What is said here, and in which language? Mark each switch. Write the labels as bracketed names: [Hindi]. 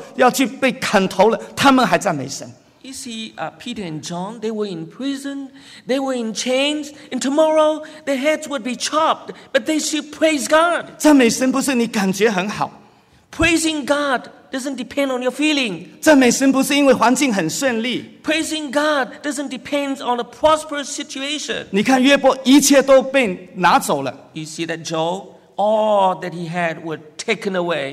[Chinese] 我们看到使徒彼得、保罗他们在监牢里面，他们的手都被链锁着，他们明天就要去做，要去被砍头了，他们还赞美神。 [English] You see, Peter and John, they were in prison, they were in chains, and tomorrow their heads would be chopped, but they should praise God. [Chinese] 赞美神不是你感觉很好。 [English] Praising God doesn't depend on your feeling. [Chinese] 赞美神不是因为环境很顺利。 [English] Praising God doesn't depend on a prosperous situation. [Chinese] 你看约伯一切都被拿走了。 [English] You see that Job, all that he had were taken away.